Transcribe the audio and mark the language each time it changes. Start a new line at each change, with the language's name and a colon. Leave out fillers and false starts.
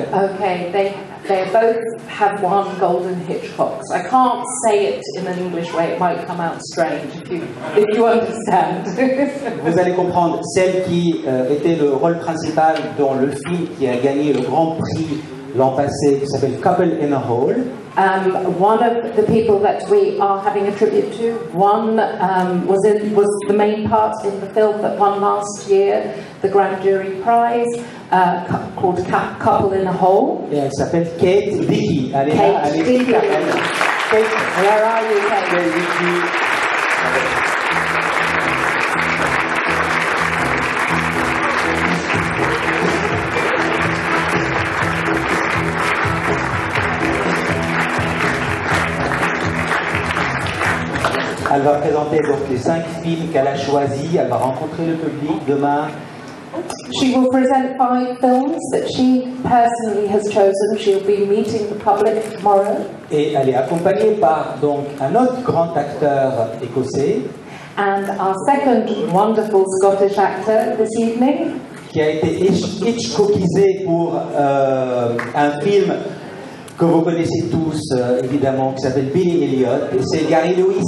English: Okay, they both have won Golden Hitchcocks. I can't say it in an English way, it might come out strange if you understand.
French: Vous allez comprendre, celle qui était le rôle principal dans le film qui a gagné le grand prix l'an passé, qui s'appelle Couple in a Hole.
English: One of the people that we are having a tribute to, was the main part in the film that won last year, the Grand Jury Prize, called Couple in a Hole. Yeah, it's called Kate Dickey. Kate, where are you, Kate?
French: Elle va présenter donc les 5 films qu'elle a choisis. Elle va rencontrer le public demain.
English: She will present 5 films that she personally has chosen. She'll be meeting the public tomorrow.
French: Et elle est accompagnée par donc un autre grand acteur écossais.
English: And our second wonderful Scottish actor this evening.
French: Qui a été Hitchcockisé pour un film que vous connaissez tous, évidemment, qui s'appelle Billy Elliot, et c'est Gary Lewis.